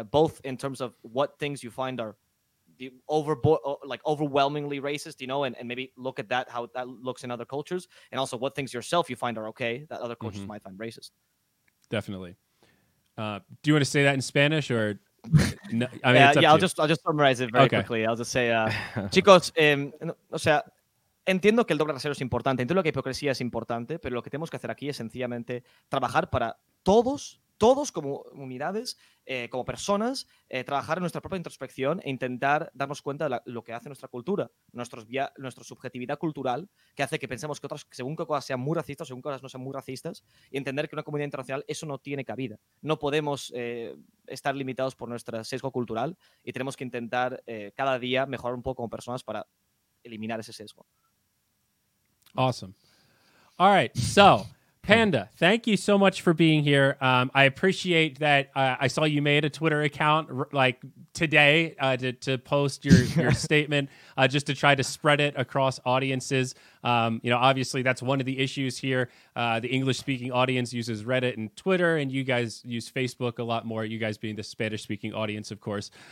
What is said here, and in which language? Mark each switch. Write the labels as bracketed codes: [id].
[en] Both in terms of what things you find are the overwhelmingly racist, you know, and maybe look at that, how that looks in other cultures, and also what things yourself you find are okay that other cultures might find racist. Definitely. Do you want to say that in Spanish or? No, I mean, I'll just summarize it very quickly. I'll just say, [es] chicos, o sea, entiendo que el doble rasero es importante, entiendo que la hipocresía es importante, pero lo que tenemos que hacer aquí es sencillamente trabajar para todos. Todos como unidades, como personas, trabajar en nuestra propia introspección e intentar darnos cuenta de lo que hace nuestra cultura, nuestra subjetividad cultural, que hace que pensemos que otras, según qué cosas sean muy racistas, según qué cosas no sean muy racistas, y entender que una comunidad internacional eso no tiene cabida. No podemos estar limitados por nuestro sesgo cultural y tenemos que intentar cada día mejorar un poco como personas para eliminar ese sesgo. [en] Awesome. All right, so... Panda, thank you so much for being here. I appreciate that I saw you made a Twitter account like today to post your statement just to try to spread it across audiences. You know, obviously, that's one of the issues here. The English-speaking audience uses Reddit and Twitter, and you guys use Facebook a lot more, you guys being the Spanish-speaking audience, of course.